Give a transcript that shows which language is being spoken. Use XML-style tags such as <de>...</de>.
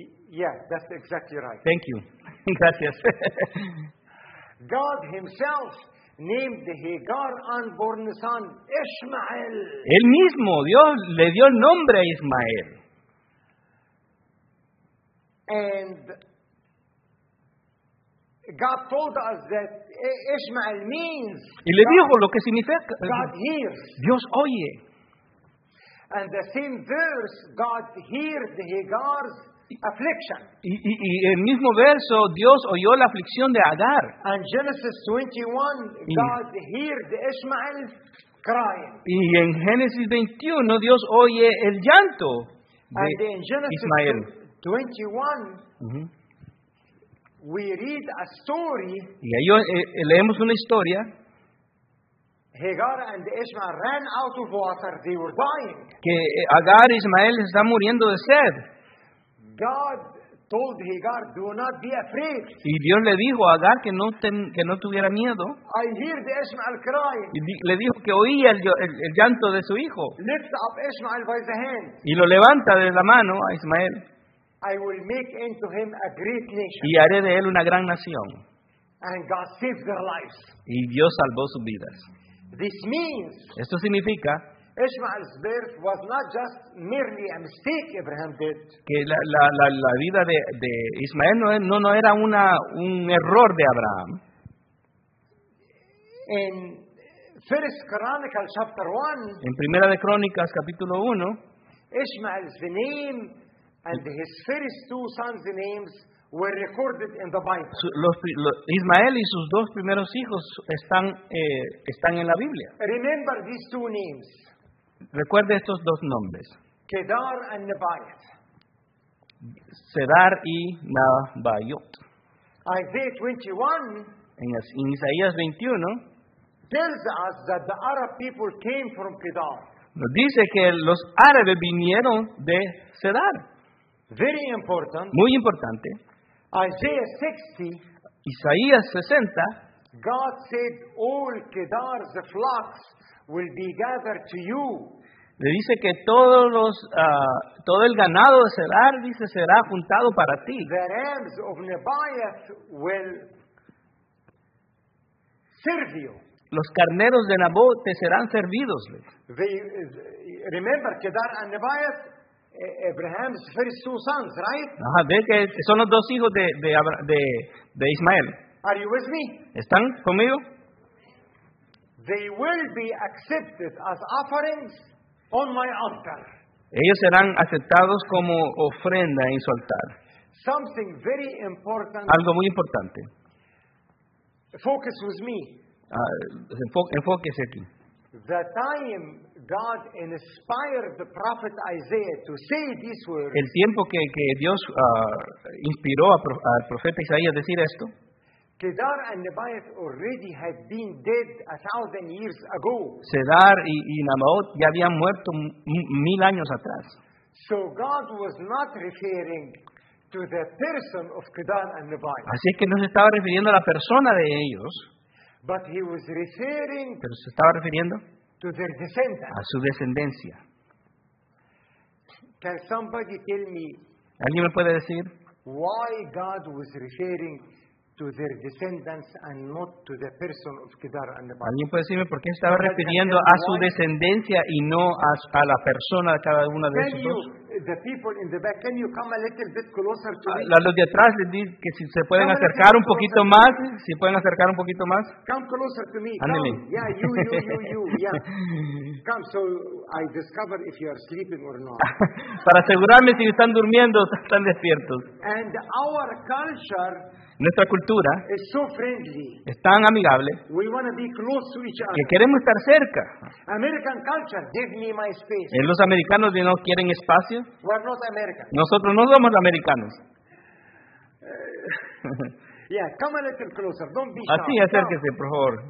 <en>Yeah, that's exactly right. Thank you.</en> <es>Gracias.</es> <en>God himself named Hagar unborn son Ishmael.</en> <es>Él mismo, Dios, le dio nombre a Ismael.</es> <en>And God told us that Ishmael means.</en> <es>Y le dijo lo que significa.</es> <en>God hears.</en> <es>Dios oye.</es> <en>And the same verse, God heard Hagar's affliction.</en> <es>Y el mismo verso, Dios oyó la aflicción de Agar.</es> <en>And Genesis 21, God heard Ishmael crying.</en> <es>Y en Génesis 21, Dios oye el llanto de Ismael.</es> <en>And in Genesis 21, we read a story.</en> <es>Y ahí leemos una historia.</es> <en>Hagar and Ishmael ran out of water. They were dying.</en> <es>Que Agar y Ismael están muriendo de sed.</es> <en>God told Hagar, "Do not be afraid."</en> <es>Y Dios le dijo a Agar que no tuviera miedo.</es> <en>I hear the Ishmael crying.</en> <es>Y le dijo que oía el llanto de su hijo.</es> <en>Lift up Ishmael by the hand.</en> <es>Y lo levanta de la mano a Ismael.</es> <en>I will make into him a great nation.</en> <es>Y haré de él una gran nación.</es> <en>And God saved their lives.</en> <es>Y Dios salvó sus vidas.</es> <en>This means.</en> <es>Esto significa.</es> <en>Ishmael's birth was not just merely a mistake Abraham did.</en> <es>Que la vida de Ismael no era un error de Abraham.</es> <en>In First Chronicles chapter 1.</en> <es>En Primera de Crónicas capítulo 1.</es> <en>Ishmael's name and his first two sons' names were recorded in the Bible.</en> <es>Ismael y sus dos primeros hijos están en la Biblia.</es> <en>Remember these two names.</en> <es>Recuerde estos dos nombres.</es> <en>Kedar and Nebaiot.</en> <es>Sedar y Nabaiot.</es> <en>Isaiah 21.</en> <es>En Isaías 21.</es> <en>Tells us that the Arab people came from Kedar.</en> <es>Nos dice que los árabes vinieron de Sedar.</es> <en>Very important.</en> <es>Muy importante.</es> <en>Isaiah 60.</en> <es>Isaías 60.</es> <en>God said all Kedar's flocks will be gathered to you.</en> <es>Le dice que todos los todo el ganado de Sedar, dice, será juntado para ti.</es> <en>The rams of Nebaiot will serve you.</en> <es>Los carneros de Nabot te serán servidos.</es> <en>Remember Kedar and Nebaiot, Abraham's first two sons, right?</en> <es>Ajá, ve que son los dos hijos de Ismael.</es> <en>Are you with me?</en> <es>¿Están conmigo?</es> <en>They will be accepted as offerings on my altar.</en> <es>Ellos serán aceptados como ofrenda en su altar.</es> <en>Something very important.</en> <es>Algo muy importante.</es> <en>Focus with me.</en> <es>Enfóquese aquí.</es> <en>The time God inspired the prophet Isaiah to say these words.</en> <es>El tiempo que Dios inspiró al profeta Isaías a decir esto.</es> <en>Kedar and Nebaiot already had been dead 1,000 years ago.</en> <es>Sedar y Nabaiot ya habían muerto 1,000 años atrás.</es> <en>So God was not referring to the person of Kedar and Nebaiot.</en> <es>Así es que no se estaba refiriendo a la persona de ellos.</es> <en>But he was referring.</en> <es>Pero se estaba refiriendo.</es> <en>To their descendants.</en> <es>A su descendencia.</es> <en>Can somebody tell me?</en> <es>¿Alguien me puede decir?</es> <en>Why God was referring to their descendants and not to the person of Kedar and Nebaiot.</en> <es>¿Alguien puede decirme por qué estaba refiriendo a su descendencia y no a la persona de cada una de esos dos?</es> <en>The people in the back, can you come a little bit closer to me?</en> <es>Los de atrás les dije que si se pueden acercar un poquito más, si pueden acercar un poquito más.</es> <en>Come closer to me.</en> <es>Ándale.</es> <en>Yeah, you, yeah. Come, so I discover if you are sleeping or not.</en> <es>Para asegurarme si están durmiendo o están despiertos.</es> <en>And our culture.</en> <es>Nuestra cultura</es> <en>is so friendly.</en> <es>Es tan amigable.</es> <en>We want to be close to each other.</en> <es>Que queremos estar cerca.</es> <en>American culture, give me my space.</en> <es>Los americanos no quieren espacio.</es> <en>We're not American.</en> <es>Nosotros no somos americanos.</es> <en>Yeah, come a little closer. Don't be shy.</en> <es>Así, acérquese, por favor.</es>